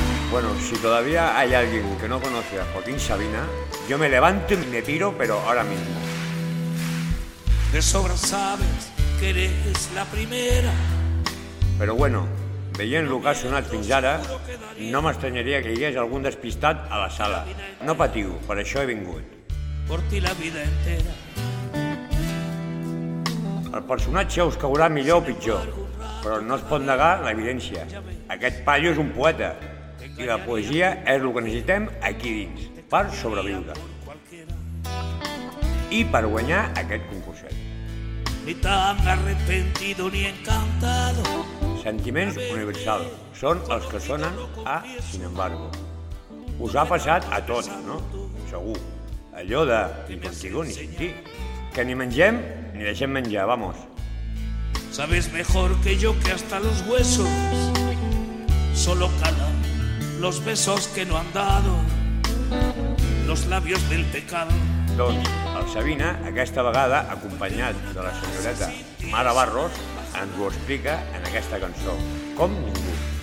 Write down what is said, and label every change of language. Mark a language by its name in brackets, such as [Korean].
[Spanish] Bueno, si todavía hay alguien que no conoce a Joaquín Sabina, yo me levanto y me piro, pero ahora mismo. De sobra sabes que eres la primera. Pero bueno, veía en Lucas una tinjara, no me extrañaría que [Catalan] llegués algún despistat a la sala. No patiu, per això he vingut. [Spanish] Por ti la vida entera. [Catalan] El personatge us caurà millor o pitjor, però no es pot negar l'evidència. Aquest paio és un poeta. I la poesia és el que necessitem aquí dins, per sobreviure. I per guanyar aquest concurset. [Spanish] Ni tan arrepentido ni encantado. [Catalan] Sentiments universals són els que sonen a Sin Embargo. Us ha passat a tots, no? Segur. Allò de [Spanish] ni contigo ni sin ti. [Catalan] Que ni mengem ni deixem menjar, vamos. [Spanish] Sabes mejor que yo que hasta los huesos solo calan. Los besos que no han dado, los labios del pecado. [Catalan] Doncs el Sabina, aquesta vegada acompanyat de la senyoreta Mara Barros, ens ho explica en aquesta cançó, com ningú.